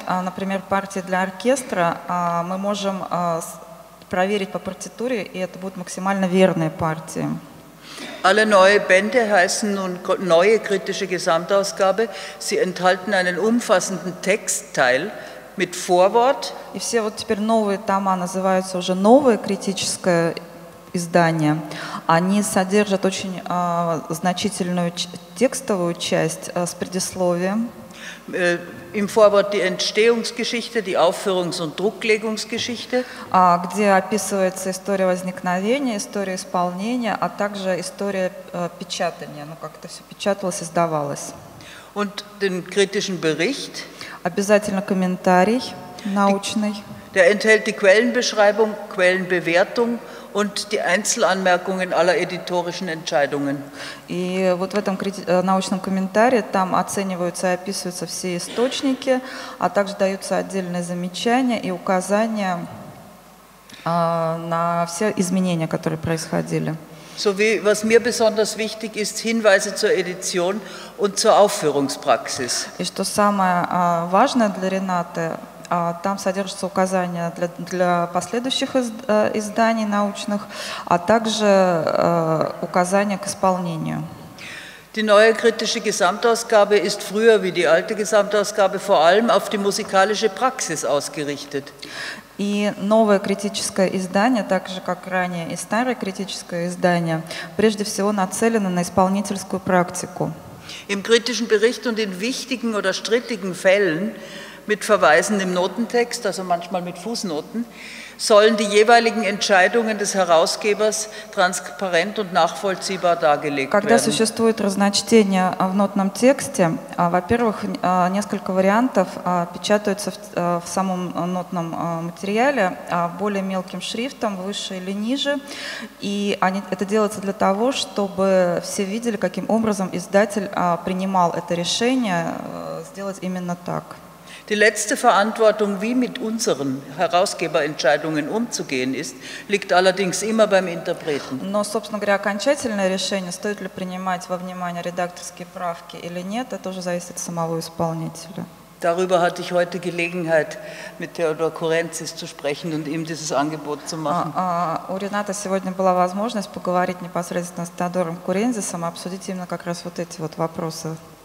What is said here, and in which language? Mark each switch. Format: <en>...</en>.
<ru>Например, партии для оркестра мы можем проверить по партитуре, и это будут максимально верные партии.</ru> <de>Alle neue Bände heißen nun neue kritische Gesamtausgabe. Sie enthalten einen umfassenden Textteil mit Vorwort.</de> <ru>И все вот теперь новые тома называются уже новое критическое издание. Они содержат очень значительную текстовую часть с предисловием.</ru> <de>Im Vorwort die Entstehungsgeschichte, die Aufführungs- und Drucklegungsgeschichte.</de> <ru>Где описывается история возникновения, история исполнения, а также история печатания, ну как это все печаталось, издавалось.</ru> <de>Und den kritischen Bericht.</de> <ru>Обязательно комментарий научный.</ru> <de>Der enthält die Quellenbeschreibung, Quellenbewertung und die Einzelanmerkungen aller editorischen Entscheidungen.</de> <ru>И вот в этом научном комментарии там оцениваются и описываются все источники, а также даются отдельные замечания и указания на все изменения, которые происходили.</ru> <de>So wie, was mir besonders wichtig ist, Hinweise zur Edition und zur Aufführungspraxis.</de> <ru>И что самое важное для Ренаты, там содержатся указания для последующих изданий научных, а также указания к исполнению.</ru> <de>Die neue kritische Gesamtausgabe ist früher wie die alte Gesamtausgabe vor allem auf die musikalische Praxis ausgerichtet.</de> <ru>И новое критическое издание, так же как ранее и старое критическое издание, прежде всего нацелено на исполнительскую практику.</ru> <de>Im kritischen Bericht und in wichtigen oder strittigen Fällen mit Verweisen im Notentext, also manchmal mit Fußnoten, sollen die jeweiligen Entscheidungen des Herausgebers transparent und nachvollziehbar dargelegt werden.</de> <ru>Когда существует разночтение в нотном тексте, во-первых, несколько вариантов печатаются в самом нотном материале более мелким шрифтом, выше или ниже, и это делается для того, чтобы все видели, каким образом издатель принимал это решение сделать именно так.</ru> <de>Die letzte Verantwortung, wie mit unseren Herausgeberentscheidungen umzugehen ist, liegt allerdings immer beim Interpreten.</de> <ru>Но, собственно говоря, окончательное решение, стоит ли принимать во внимание редакторские правки или нет, это уже зависит от самого исполнителя.</ru> <de>Darüber hatte ich heute Gelegenheit, mit Theodor Kurenzis zu sprechen und ihm dieses Angebot zu machen.</de> <ru>У Рената сегодня была возможность поговорить непосредственно с Теодором Курензисом, обсудить именно как раз вот эти вот вопросы.</ru>